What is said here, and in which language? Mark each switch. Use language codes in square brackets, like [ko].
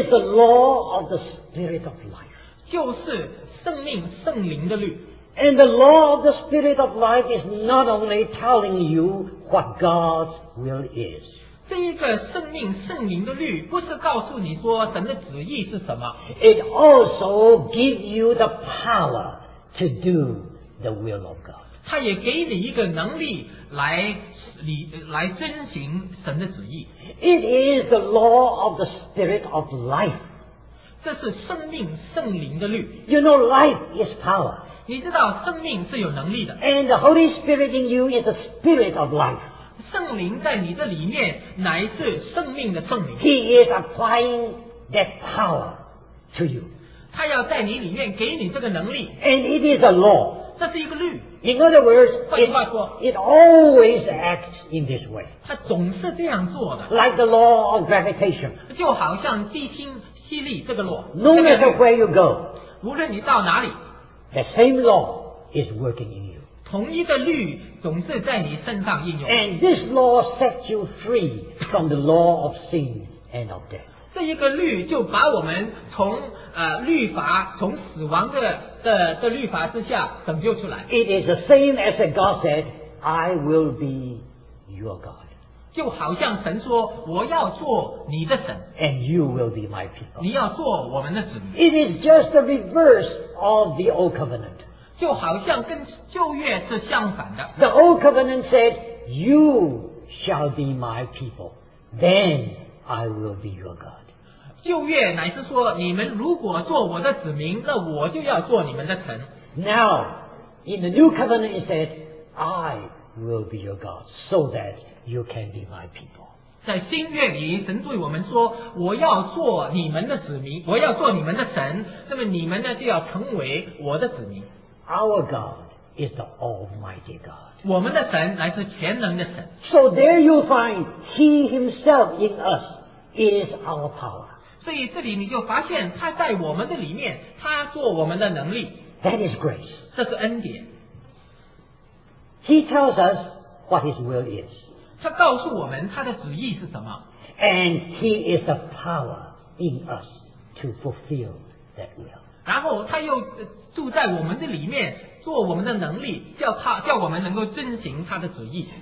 [en] It is the law of the Spirit of life. [zh] 就是圣命、圣灵的律。 [en] And the law of the Spirit of life is not only telling you what God's will is. [zh] 这一个圣命、圣灵的律不是告诉你说神的旨意是什么。 [en] It also gives you the power to do the will of God. [zh] 它也给你一个能力来遵行神的旨意。 [en] It is the law of the Spirit of life. [zh] 这是生命圣灵的律。 [en] You know, life is power. [zh] 你知道生命是有能力的。 [en] And the Holy Spirit in you is the Spirit of life. [zh] 圣灵在你的里面乃是生命的圣灵。 [en] He is applying that power to you. [zh] 他要在你里面给你这个能力。 [en] And it is a law. [zh] 这是一个律。 [en] In other words, it always acts in this way. [zh] 它总是这样做的。 [en] Like the law of gravitation. [zh] 就好像地心吸力这个law。 [en] No matter where you go, [zh] 无论你到哪里， [en] the same law is working in you. [zh] 同一个律总是在你身上应用。 [en] And this law sets you free from the law of sin and of death. [zh] 这一个律就把我们从律法从死亡的律法之下拯救出来。 [en] It is the same as God said, I will be your God. [zh] 就好像神说我要做你的神。 [en] And you will be my people. [zh] 你要做我们的子民。 [en] It is just the reverse of the old covenant. [zh] 就好像跟旧约是相反的。 [en] The old covenant said, you shall be my people. Then,I will be your God. [zh] 旧约乃是说，你们如果做我的子民，那我就要做你们的神。 [en] Now, in the new covenant, it says, I will be your God, so that you can be my people. [zh] 在新约里，神对我们说，我要做你们的子民，我要做你们的神，那么你们呢，就要成为我的子民。 [en] Our God is the Almighty God. [zh] 我们的神乃是全能的神。 [en] So there you find He Himself in us is our power. [zh] 所以这里你就发现他在我们的里面，他做我们的能力。 [en] That is grace. [zh] 这是恩典。 [en] He tells us what His will is. [zh] 他告诉我们他的旨意是什么。 [en] And He is the power in us to fulfill that will. [zh] 然后他又住在我们的里面。做我们的能力，叫我们能够遵行他的旨意。